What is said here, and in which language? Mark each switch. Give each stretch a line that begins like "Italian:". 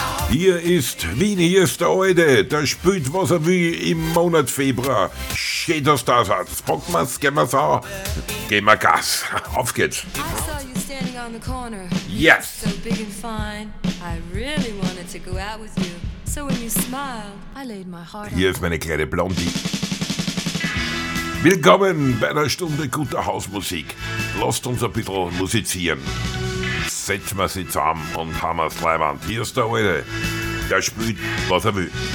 German: Hier ist Wien, hier ist der Alte, der spielt, was er will im Monat Februar. Schön, dass du da seid. Packen wir's, gehen wir's an. Gehen wir Gas. Auf geht's.
English: I saw you standing on the corner. Yes. So big and fine. I really wanted to go out with you. So when you smiled, I laid my heart.
German: Hier ist meine kleine Blondie. Willkommen bei einer Stunde guter Hausmusik. Lasst uns ein bisschen musizieren. Setzen wir sie zusammen und haben es leiwand. Hier ist der Alte, der spielt, was er will.